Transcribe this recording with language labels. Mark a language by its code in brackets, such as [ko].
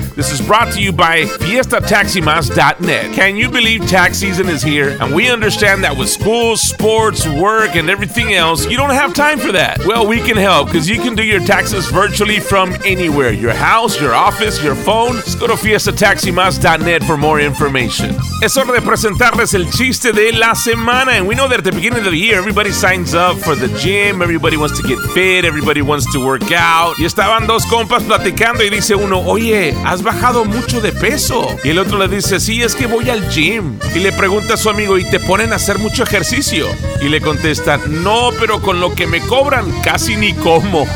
[en] This is brought to you by FiestaTaxiMas.net. Can you believe tax season is here? And we understand that with school, sports, work, and everything else, you don't have time for that. Well, we can help because you can do your taxes virtually from anywhere. Your house, your office, your phone. Just go to FiestaTaxiMas.net for more information. [es] Es hora de presentarles el chiste de la semana. [en] And we know that at the beginning of the year, everybody signs up for the gym. Everybody wants to get fit. Everybody wants to work out. [es] Y estaban dos compas platicando y dice uno, oye, has bajado mucho de peso. Y el otro le dice, sí, es que voy al gym. Y le pregunta a su amigo, ¿y te ponen a hacer mucho ejercicio? Y le contesta, no, pero con lo que me cobran, casi ni como.